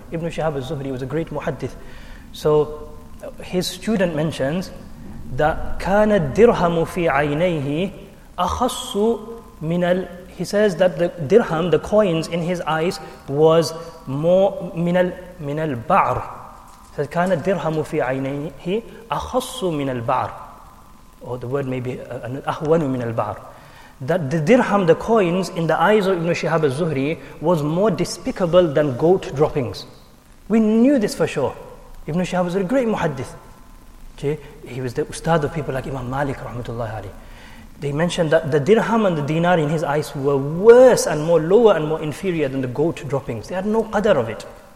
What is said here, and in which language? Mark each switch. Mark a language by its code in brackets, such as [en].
[en] Ibn Shihab al-Zuhri was a great muhaddith. So his student mentions that [ar] kana dirhamu fi aynayhi أَخَصُّ مِنَ ال... [en] He says that the dirham, the coins in his eyes, was more [ar] مِنَ الْبَعْرِ. He says, كَانَ الدِّرْهَمُ فِي عَيْنَيْهِ أَخَصُّ مِنَ الْبَعْرِ. [en] Or the word may be [ar] أَهْوَنُ مِنَ الْبَعْرِ. [en] That the dirham, the coins, in the eyes of Ibn Shihab al-Zuhri, was more despicable than goat droppings. We knew this for sure. Ibn Shihab was a great muhaddith. Okay? He was the ustad of people like Imam Malik, rahmatullahi alayhi. They mentioned that the dirham and the dinar in his eyes were worse and more lower and more inferior than the goat droppings. They had no qadar of it.